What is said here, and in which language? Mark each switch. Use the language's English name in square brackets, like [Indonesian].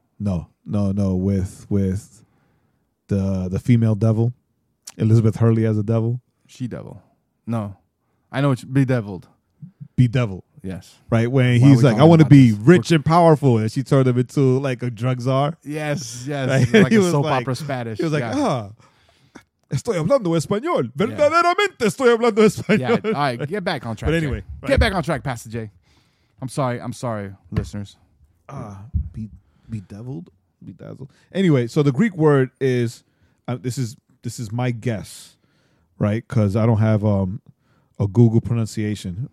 [English] No, with the female devil, Elizabeth Hurley as a devil. She devil. No, I know it's bedeviled. Bedeviled. Yes. Right when he's like, I want to be rich and powerful, and she turned him into like a drug czar. Yes. Right? Like a soap opera Spanish. He was like, [Spanish] estoy hablando español. Verdaderamente estoy hablando español. [English] Yeah. All right, get back on track. But anyway, get back on track, Pastor Jay. I'm sorry, listeners. Bedeviled? Bedazzled. Anyway, so the Greek word is, this is my guess, right? Because I don't have a Google pronunciation.